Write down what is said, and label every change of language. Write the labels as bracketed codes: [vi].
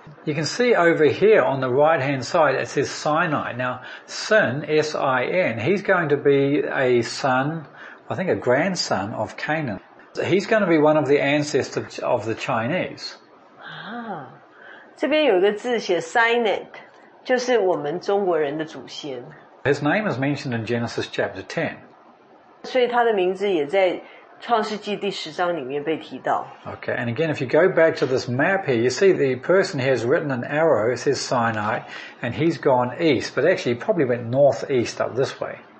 [en] You can see over here on the right-hand side, it says Sinai. Now, Sin, S-I-N, he's going to be a son, I think a grandson of Canaan. He's going to be one of the ancestors of the Chinese. [zh] 这边有一个字写Sinet，就是我们中国人的祖先。 [en] His name is mentioned in Genesis chapter 10. [zh] 所以他的名字也在创世纪第十章里面被提到。Okay, [en] and again, if you go back to this map here, you see the person here has written an arrow, it says Sinai, and he's gone east, but actually he probably went northeast up this way.